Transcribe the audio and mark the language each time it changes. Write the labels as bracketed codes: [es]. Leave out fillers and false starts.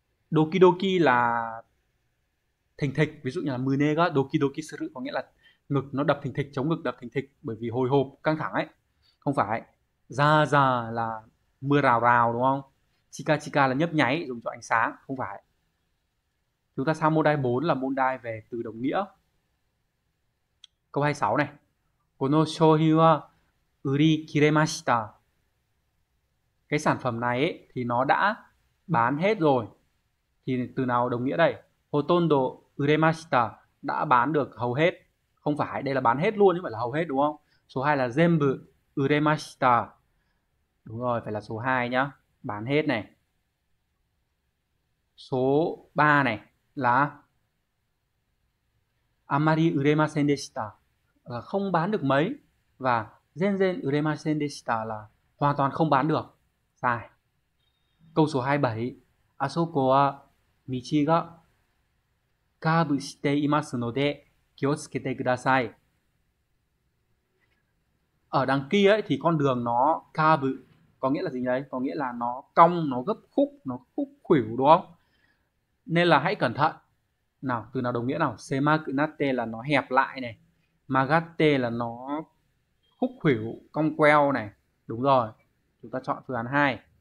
[vi] Doki doki là thình thịch, ví dụ như là [ja] mune ga doki doki suru [vi] có nghĩa là ngực nó đập thình thịch, chống ngực đập thình thịch bởi vì hồi hộp căng thẳng ấy. Không phải ra ra là mưa rào rào đúng không, chika chika là nhấp nháy dùng cho ánh sáng. Không phải, chúng ta sang môn đai 4 là môn đai về từ đồng nghĩa. Câu 26 này, [ja] この商品は売り切れました。 [vi] Cái sản phẩm này ấy, thì nó đã bán hết rồi. Thì từ nào đồng nghĩa đây? [ja] ほとんど売れました。 [vi] Đã bán được hầu hết. Không phải, đây là bán hết luôn chứ không phải là hầu hết đúng không? Số 2 là [ja] 全部売れました。 [vi] Đúng rồi, phải là số 2 nhá. Bán hết này. Số 3 này là [ja] あまり売れませんでした。 [vi] Là không bán được mấy. Và [ja] 全然売れませんでした。 [vi] Là hoàn toàn không bán được. Sai. Câu số 27. [ja] あそこは道がカーブしていますので気をつけてください。 [vi] Ở đằng kia ấy, thì con đường nó ca bự, có nghĩa là gì đấy? Có nghĩa là nó cong, nó gấp khúc, nó khúc khuỷu đúng không? Nên là hãy cẩn thận. Nào, từ nào đồng nghĩa nào? Semakunate là nó hẹp lại này. Magate là nó khúc khuỷu, cong queo này. Đúng rồi. Chúng ta chọn phương án 2.